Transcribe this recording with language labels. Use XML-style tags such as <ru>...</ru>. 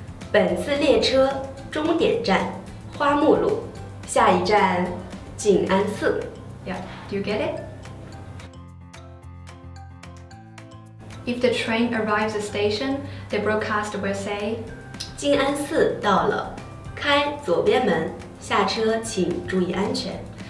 <zh>本次列车终点站花木路下一站静安寺</zh> <en>Yeah, do you get it? If the train arrives at the station,The broadcast will say,</en> <zh>静安寺到了，开左边门，下车请注意安全。</zh>